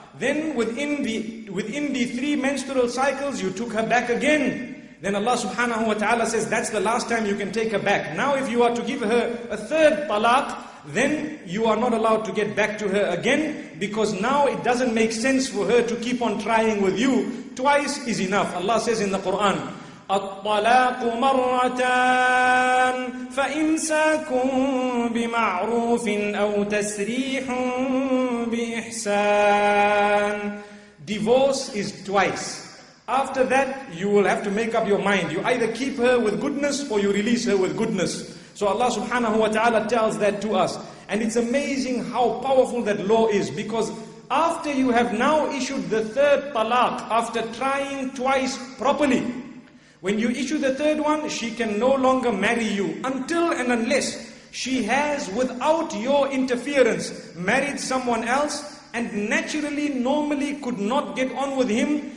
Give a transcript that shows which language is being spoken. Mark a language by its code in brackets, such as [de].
[en] Then within the three menstrual cycles, you took her back again. Then Allah subhanahu wa ta'ala says, that's the last time you can take her back. Now if you are to give her a third talaq, then you are not allowed to get back to her again, because now it doesn't make sense for her to keep on trying with you. Twice is enough. Allah says in the Quran, [ar] الطَّلَاقُ مَرَّتَانِ فَإِمْسَاكُمْ بِمَعْرُوفٍ أَوْ تَسْرِيحٌ بِإِحْسَانٍ. [en] Divorce is twice. After that, you will have to make up your mind. You either keep her with goodness or you release her with goodness. So Allah subhanahu wa ta'ala tells that to us. And it's amazing how powerful that law is, because after you have now issued the third talaq, after trying twice properly, when you issue the third one, she can no longer marry you until and unless she has, without your interference, married someone else and naturally, normally could not get on with him.